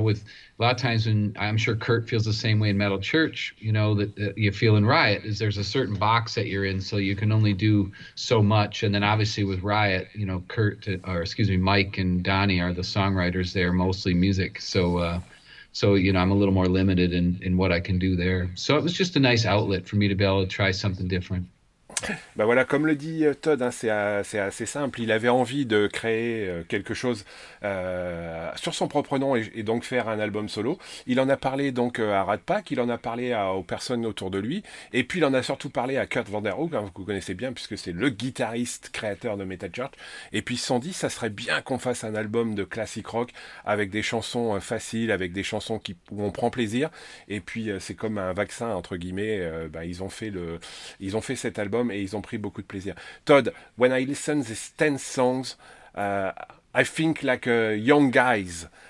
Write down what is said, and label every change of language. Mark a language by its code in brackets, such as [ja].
[en] With a lot of times, when I'm sure Kurt feels the same way in Metal Church, you know, that you feel in Riot, is there's a certain box that you're in, so you can only do so much. And then obviously with Riot, you know, Mike and Donnie are the songwriters there, mostly music. So you know, I'm a little more limited in what I can do there. So it was just a nice outlet for me to be able to try something different. [fr] Ben voilà, comme le dit Todd, hein, c'est assez simple. Il avait envie de créer quelque chose sur son propre nom et donc faire un album solo. Il en a parlé donc à Rat Pack, il en a parlé aux personnes autour de lui, et puis il en a surtout parlé à Kurt Vonderhoof, hein, que vous connaissez bien, puisque c'est le guitariste créateur de Metal Church. Et puis ils se sont dit, ça serait bien qu'on fasse un album de classic rock avec des chansons faciles, avec des chansons où on prend plaisir. Et puis c'est comme un vaccin, entre guillemets, ils ont fait cet album. And ils ont pris beaucoup de plaisir. [en] Todd, when I listen to these 10 songs, I think like young guys.